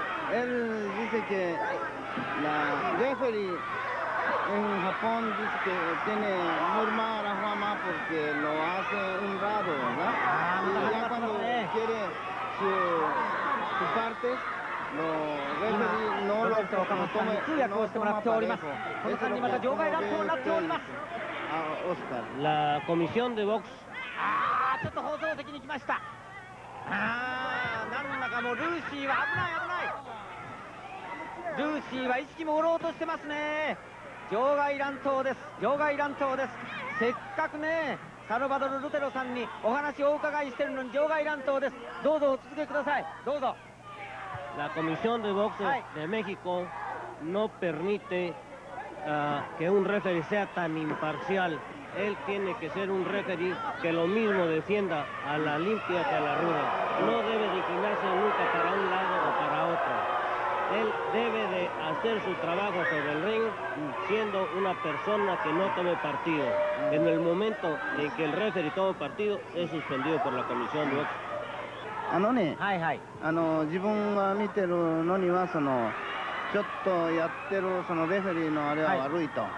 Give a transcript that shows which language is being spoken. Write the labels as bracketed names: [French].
[Spanish] él dice que la referee en Japón dice que tiene muy mala fama porque lo hace un rato, ¿verdad? Ah, y ya cuando quiere su parte, lo referee no lo toma. [Japanese] 通訳をしてもらっております。この間にまた場外乱闘になっております。あ、オスカー、 [Spanish] la comisión de box、 [Japanese] ああちょっと放送席に来ました。ああ、何だかもうルーシーは危ない危ない。ルーシーは意識朦朧としてますね。場外乱闘です、場外乱闘です。せっかくねサルバドル・ルテロさんにお話をお伺いしてるのに場外乱闘です。どうぞお続けください。どうぞ。 [Spanish] La Comisión de Boxeo、 [Japanese] はい、 [Spanish] de México no permite、que un referee sea tan imparcial. Él tiene que ser un referee que lo mismo defienda a la limpia que a la ruda. No debe inclinarse nunca para un lado o para otro. Él debe de hacer su trabajo sobre el ring siendo una persona que no tome partido. En el momento en que el referee tome partido, es suspendido por la Comisión de Boxeo. [Japanese] あのね、はいはい、あの自分が見てるのにはそのちょっとやってるそのレフェリーのあれは悪いと、は